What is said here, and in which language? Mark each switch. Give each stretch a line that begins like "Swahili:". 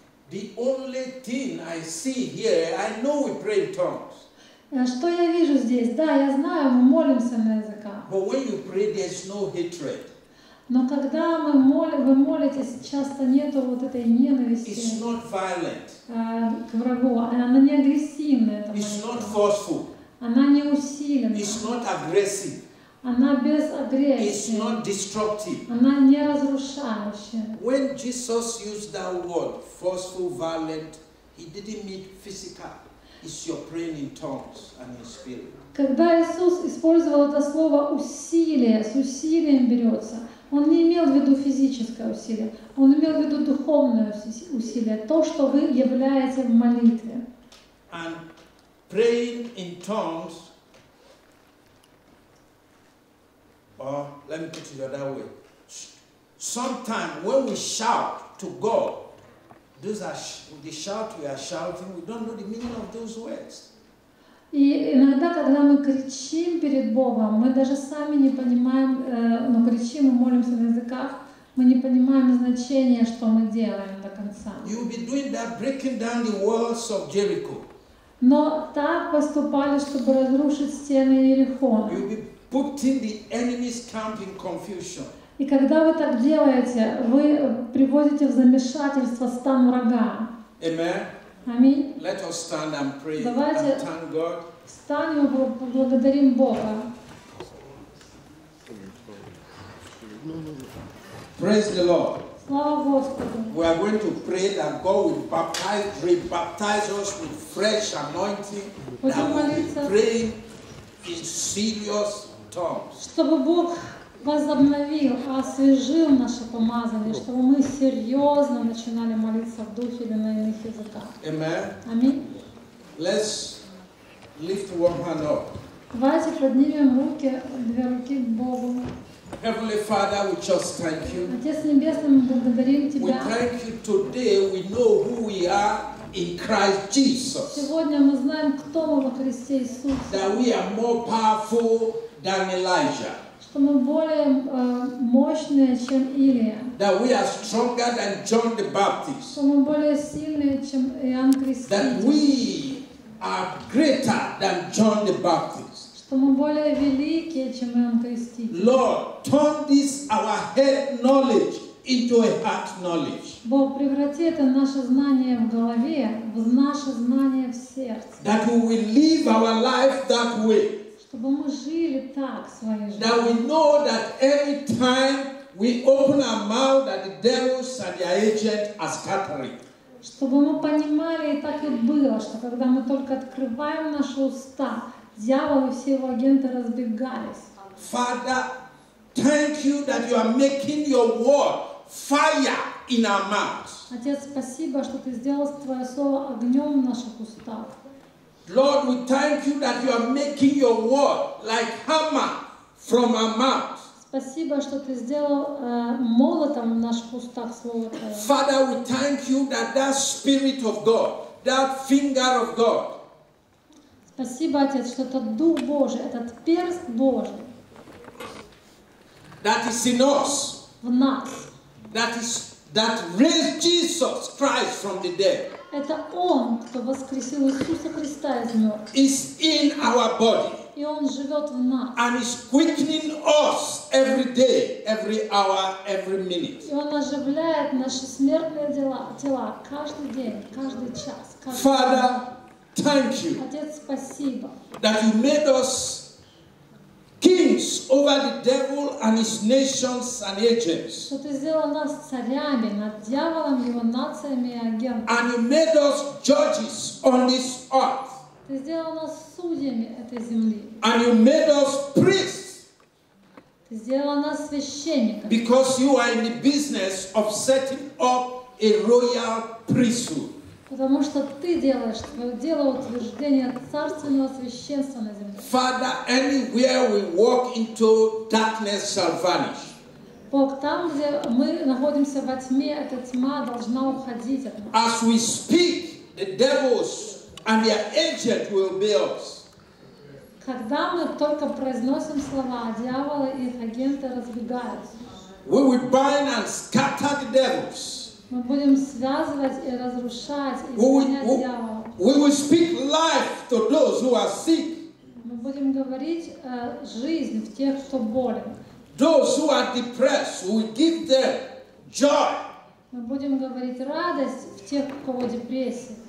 English: The only thing I see here, I know we pray in tongues.
Russian: Что я вижу здесь? Да, я знаю, мы молимся на языках.
English: But when you pray, there's no hatred.
Russian: Но когда вы молитесь, часто нету вот этой ненависти.
English: It's not violent.
Russian: К врагу. Она не агрессивная. Эта
English: It's not forceful.
Russian: Она не усиленная.
English: It's not aggressive.
Russian: Она без агрессии.
English: It's not destructive.
Russian: Она не разрушающая.
English: When Jesus used that word, forceful, violent, he didn't mean physical. It's your praying in tongues and in spirit.
Russian: Когда Иисус использовал это слово усилие, с усилием берется. Он не имел в виду физическое усилие, он имел в виду духовное усилие, то, что вы являете в молитве.
English: And praying in tongues, or let me put it the other way. Sometimes when we shout to God, those are the shout we are shouting, we don't know the meaning of those words.
Russian: И иногда, когда мы кричим перед Богом, мы даже сами не понимаем, но кричим и молимся на языках, мы не понимаем значения, что мы делаем до конца.
English: You'll be doing that, breaking down the walls of Jericho.
Russian: Но так поступали, чтобы разрушить стены Иерихона.
English: You'll be putting the enemy's camp in confusion.
Russian: И когда вы так делаете, вы приводите в замешательство стан врага.
English: Amen.
Russian: Аминь.
English: Let us stand and pray.
Russian: Давайте
English: and thank God.
Russian: Встанем и поблагодарим Бога.
English: Praise the Lord.
Russian: Слава Господу.
English: We are going to pray that God will baptize, re-baptize us with fresh anointing. That we will pray in serious tongues.
Russian: Чтобы Бог возобновил, освежил наше помазание, чтобы мы серьезно начинали молиться в духе или на иных языках.
English: Amen.
Russian: Аминь.
English: Let's lift one hand up.
Russian: Давайте поднимем руки, две руки к Богу.
English: Heavenly Father, we just thank you.
Russian: Отец Небесный, мы благодарим Тебя.
English: We thank you today. We know who we are in Christ Jesus.
Russian: Сегодня мы знаем, кто мы во Христе Иисусе.
English: That we are more powerful than Elijah.
Russian: Что мы более мощные, чем Илия.
English: That we are stronger than John the Baptist.
Russian: Что мы более сильные, чем Иоанн Креститель.
English: That we are greater than John the Baptist.
Russian: Что мы более великие, чем Иоанн Креститель.
English: Lord, turn this our head knowledge into a heart knowledge.
Russian: Бог, преврати это наше знание в голове в наше знание в сердце.
English: That we will live our life that way.
Russian: Чтобы мы жили так своей жизнью.
English: That we know that every time we open our mouth, that the devils and their agents are scattering.
Russian: Чтобы мы понимали, и так и было, что когда мы только открываем наши уста, дьявол и все его агенты разбегались.
English: Father, thank you that you are making your word fire in our mouths.
Russian: Отец, спасибо, что ты сделал твое слово огнем в наших устах.
English: Lord, we thank you that you are making your word like hammer from our mouth.
Russian: Спасибо, что ты сделал молотом в наших устах слово твое.
English: Father, we thank you that that spirit of God, that finger of God.
Russian: Спасибо, отец, что этот дух Божий, этот перст Божий.
English: That is in us.
Russian: В нас.
English: That raised Jesus Christ from the dead.
Russian: Это Он, кто воскресил Иисуса Христа из мертвых.
English: Is in our body.
Russian: И Он живет в нас.
English: And is quickening us every day, every hour, every minute.
Russian: И Он оживляет наши смертные тела каждый день, каждый час. Каждый
English: Father,
Russian: день.
English: Thank you.
Russian: Отец, спасибо.
English: That you made us kings over the devil and his nations and agents.
Russian: Что ты сделал нас царями над дьяволом, его нациями и агентами.
English: And you made us judges on this earth.
Russian: Ты сделал нас судьями этой земли.
English: And you made us priests.
Russian: Ты сделал нас священниками.
English: Because you are in the business of setting up a royal priesthood.
Russian: Потому что ты делаешь твое дело утверждения царственного священства на земле.
English: Father, anywhere we walk into darkness shall vanish.
Russian: Бог, там, где мы находимся во тьме, эта тьма должна уходить от нас.
English: As we speak, the devils and their agents will obey us.
Russian: Когда мы только произносим слова, дьяволы и их агенты разбегаются.
English: We will bind and scatter the devils.
Russian: Мы будем связывать и разрушать и изгонять дьявола.
English: We will speak life to those who are sick.
Russian: Мы будем говорить жизнь в тех, кто болен.
English: Those who are depressed, we will give them joy.
Russian: Мы будем говорить радость в тех, у кого депрессия.